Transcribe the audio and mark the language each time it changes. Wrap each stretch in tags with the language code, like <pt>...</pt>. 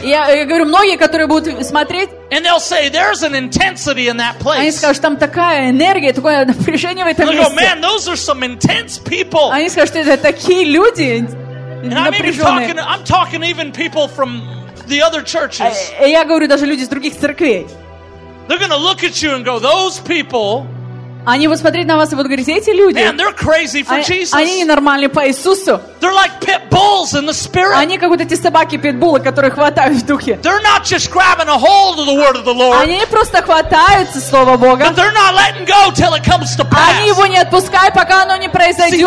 <ru>Я говорю, многие, которые будут смотреть.</ru> <en>And they'll say there's an intensity in that place.</en> <ru>Они скажут, там такая энергия, такое напряжение в этом месте.</ru> <en>They'll go, man, those are some intense people.</en> <ru>Они скажут, это такие люди напряженные.</ru> <en>I'm talking even people from the other churches.</en> <ru>Я говорю даже люди из других церквей.</ru> <en>They're gonna look at you and go, those people.</en> <ru>Они будут смотреть на вас и будут говорить, эти люди.</ru> <en>Man, they're crazy for Jesus.</en> <ru>Они ненормальны по Иисусу.</ru> <en>They're like pit bulls in the spirit.</en> <ru>Они как будто эти собаки питбулы, которые хватают в духе.</ru> <en>They're not just grabbing a hold of the word of the Lord.</en> <ru>Они не просто хватаются слова Бога.</ru> <en>But they're not letting go till it comes to pass.</en> <ru>Они его не отпускают, пока оно не произойдет.</ru>